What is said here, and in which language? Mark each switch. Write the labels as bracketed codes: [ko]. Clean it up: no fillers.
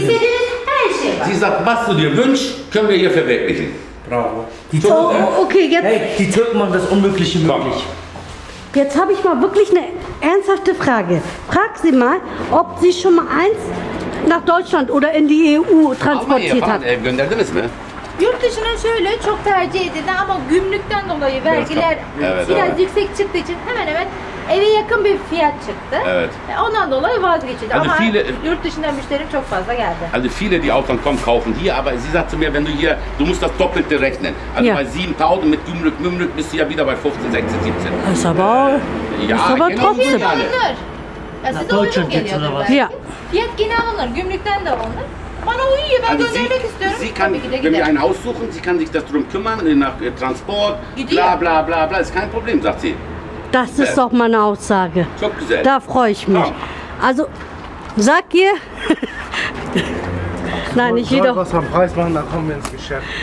[de] Sie sagt, was du dir wünschst, können wir hier verwirklichen. Bravo. Die Türken, oh, okay, jetzt. Hey, die Türken machen das Unmögliche möglich. Jetzt habe ich mal wirklich eine ernsthafte Frage. Frag sie mal, ob sie schon mal eins nach Deutschland oder in die EU transportiert hat. Aber [tr] gönderdiniz mi? Yurt dışına şöyle çok tercih edildi ama günlükten dolayı vergiler biraz yüksek çıktığı için hemen hemen eve yakın bir fiyat çıktı. Evet. Ondan dolayı vazgeçildi ama [de] viele, [tr] yurt dışından müşterim çok fazla geldi. [de] Also viele die auch dann kommen kaufen hier, aber sie sagt zu mir, wenn du hier, du musst das Doppelte rechnen. Also ja. Bei 7000 mit Gümrük, Mümrük bist du ja wieder bei 15, 16, 17. Ist aber, ja, ist aber genau, trotzdem. Ja, nach Deutschland geht es oder was? Ja. [tr] Fiyat yine alınır, gümrükten de alınır. Bana uyuyor, ben [de] also [tr] göndermek istiyorum. [de] Sie kann, [tr] gide, [de] wenn wir einen aussuchen, sie kann sich das drum kümmern, nach Transport, [tr] gideyim. [de] Bla bla bla, ist kein Problem, sagt sie. Das ist doch meine Aussage. Da freue ich mich. Ja. Also, sag ihr. Nein, ich jedoch. Was am Preis machen, dann kommen wir ins Geschäft.